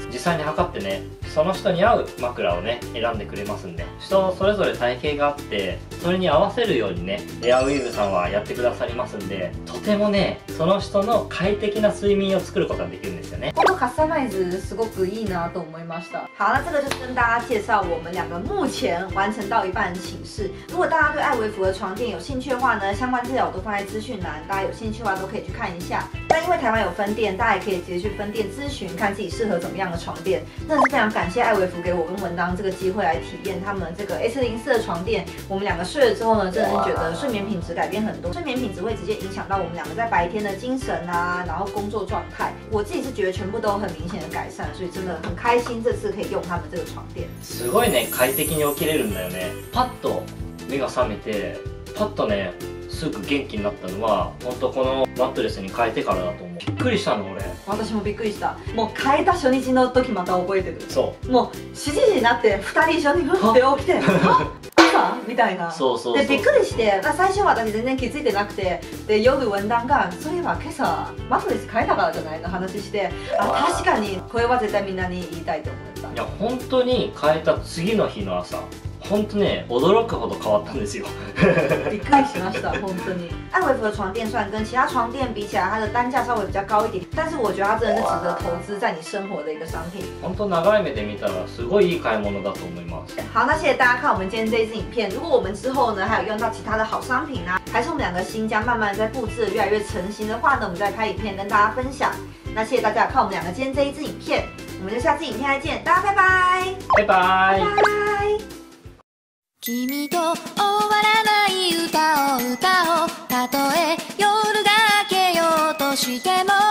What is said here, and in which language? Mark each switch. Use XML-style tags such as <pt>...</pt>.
<ja>実際に測ってね、その人に合う枕をね、選んでくれますんで、人それぞれ体型があって、それに合わせるようにね、エアウィーヴさんはやってくださりますんで、とてもね、その人の快適な睡眠を作ることができるんですよね。このカスタマイズすごくいいなと思いました。</ja> <zh>好了，这个就是跟大家介绍我们两个目前完成到一半的寝室。如果大家对艾维福的床垫有兴趣的话呢，相关资料我都放在资讯栏，大家有兴趣的话都可以去看一下。那因为台湾有分店，大家也可以直接去分店咨询，看自己适合怎么样的床垫。那是非常感谢艾维福给我跟文当这个机会来体验他们这个 S04 的床垫。我们两个睡了之后呢，真的觉得睡眠品质改变很多，睡眠品质会直接影响到我们两个在白天的精神啊，然后工作状态。我自己是觉得全部都很明显的改善，所以真的很开心这次可以用他们这个床垫。</zh> <ja>すごいね、快適に起きれるんだよね。パッと目が覚めて、パッとね。すぐ元気になったのは本当このマットレスに変えてからだと思う。びっくりしたの俺。私もびっくりした。もう変えた初日の時また覚えてる。そう、もう指示になって2人一緒にふって起きて、あっみたいな。そうそうそう。でびっくりして、最初は私全然気づいてなくて、で夜文壇がそういえば今朝マットレス変えたからじゃないの話して、あ、確かに。これは絶対みんなに言いたいと思った。いや本当に変えた次の日の朝、本当ね、驚くほど変わったんですよ。びっくりしました、本当に。</ja> <zh>艾维福的床垫虽然跟其他床垫比起来，它的单价稍微比较高一点，但是我觉得它真的是值得投资在你生活的一个商品。</zh> <ja>本当長い目で見たらすごいいい買い物だと思います。</ja> <zh>好，那谢谢大家看我们今天这一支影片。如果我们之后呢还有用到其他的好商品呢，还是我们两个新家慢慢在布置越来越成型的话呢，我们再拍影片跟大家分享。那谢谢大家看我们两个今天这一支影片，我们就下次影片再见，大家拜拜，拜拜，拜拜。</zh> <ja>君と終わらない歌を歌おう。たとえ夜が明けようとしても。</ja>